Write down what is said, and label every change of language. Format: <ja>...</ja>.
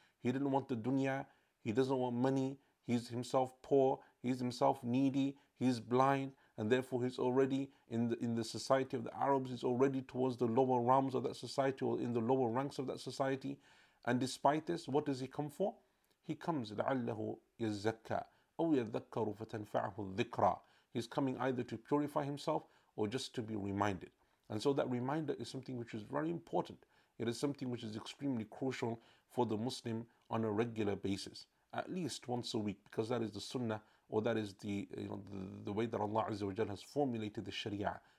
<en>He didn't want the dunya, he doesn't want money, he's himself poor, he's himself needy, he's blind. And therefore he's already in the society of the Arabs, he's already towards the lower realms of that society or in the lower ranks of that society. And despite this, what does he come for? He comes,</en> <ar>لَعَلَّهُ يَزَّكَّى أَوْ يَذَّكَّرُ فَتَنْفَعَهُ الذِّكْرَى.</ar> <en>He's coming either to purify himself or just to be reminded. And so that reminder is something which is very important. It is something which is extremely crucial for the Muslim on a regular basis, at least once a week, because that is the sunnah, or that is the, you know, the way that Allah Azza wa Jalla has formulated the Sharia.</en>